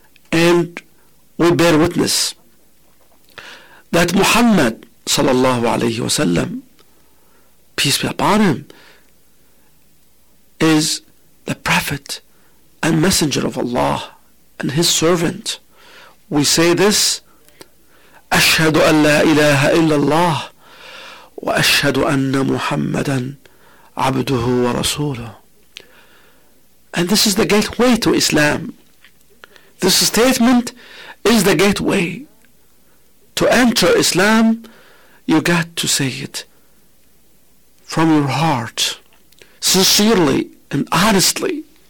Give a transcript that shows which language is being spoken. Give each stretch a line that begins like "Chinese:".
English: And we bear witness that Muhammad sallallahu alayhi wa sallam, peace be upon him, is the prophet and messenger of Allah and his servant. We say this,
Arabic: أشهد أن لا إله إلا الله وأشهد أن محمدا عبده ورسوله.
English: And this is the gateway to Islam. This statement is the gateway to enter Islam. You got to say it from your heart, sincerely and honestly.